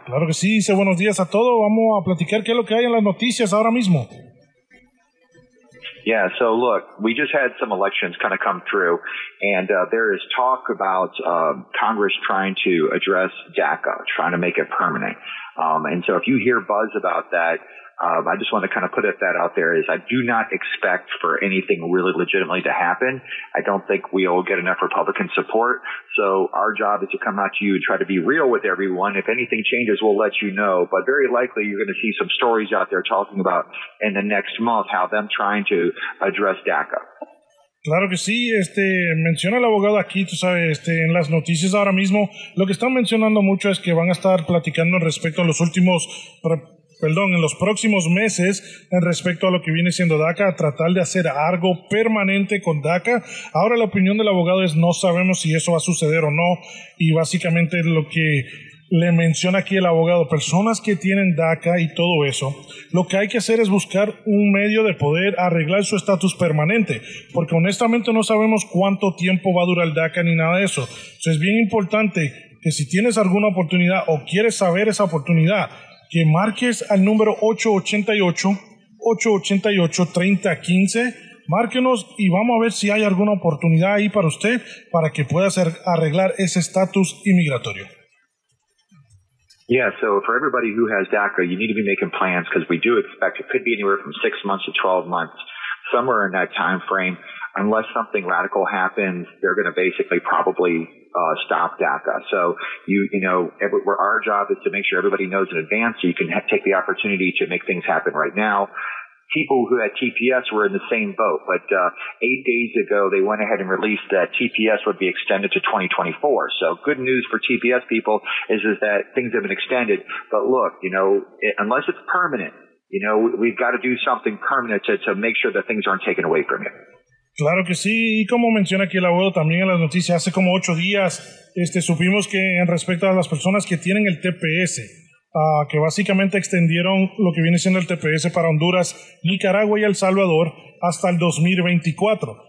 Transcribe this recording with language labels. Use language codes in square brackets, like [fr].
[es] Claro que sí, dice buenos días a todos. Vamos a platicar qué es lo que hay en las noticias ahora mismo. [en] Yeah, so look, we just had some elections kind of come through, and there is talk about Congress trying to address DACA, trying to make it permanent. And so if you hear buzz about that, I just want to kind of put that out there, is I do not expect for anything really legitimately to happen. I don't think we'll get enough Republican support. So our job is to come out to you and try to be real with everyone. If anything changes, we'll let you know. But very likely you're going to see some stories out there talking about in the next month how them trying to address DACA. [es] Claro que sí, menciona el abogado aquí, tú sabes, en las noticias ahora mismo, lo que están mencionando mucho es que van a estar platicando respecto a los últimos, en los próximos meses, en respecto a lo que viene siendo DACA, a tratar de hacer algo permanente con DACA. Ahora la opinión del abogado es no sabemos si eso va a suceder o no, y básicamente lo que le menciona aquí el abogado, personas que tienen DACA y todo eso, lo que hay que hacer es buscar un medio de poder arreglar su estatus permanente, porque honestamente no sabemos cuánto tiempo va a durar el DACA ni nada de eso. Entonces es bien importante que si tienes alguna oportunidad o quieres saber esa oportunidad, que marques al número 888-888-3015, márquenos y vamos a ver si hay alguna oportunidad ahí para usted para que pueda hacer, arreglar ese estatus inmigratorio. [en] Yeah, so for everybody who has DACA, you need to be making plans, because we do expect it could be anywhere from 6 months to 12 months, somewhere in that time frame. Unless something radical happens, they're going to basically probably stop DACA. So, our job is to make sure everybody knows in advance, so you can take the opportunity to make things happen right now. People who had TPS were in the same boat, but 8 days ago they went ahead and released that TPS would be extended to 2024. So good news for TPS people is that things have been extended. But look, unless it's permanent, we've got to do something permanent to make sure that things aren't taken away from you. [es] Claro que sí, y como menciona aquí el abogado también en las noticias, hace como 8 días supimos que en respecto a las personas que tienen el TPS, que básicamente extendieron lo que viene siendo el TPS para Honduras, Nicaragua y El Salvador hasta el 2024.